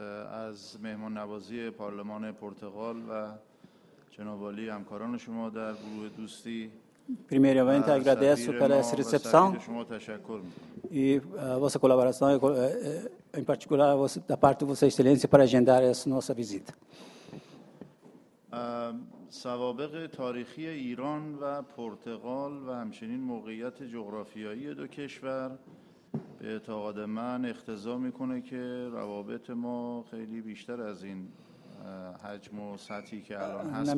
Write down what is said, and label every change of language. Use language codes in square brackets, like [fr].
[fa] از مهمان نوازی پارلمان پرتغال و جناب عالی همکاران شما در گروه دوستی [pt] primeiramente agradeço pela essa recepção e vossa colaboração em particular da parte de vossa excelência para agendar essa nossa visita. [fa] سوابق تاریخی ایران و پرتغال و همچنین موقعیت جغرافیایی دو کشور به اعتقاد من اختزا میکنه که روابط ما خیلی بیشتر از این حجم و سطحی که الان هست.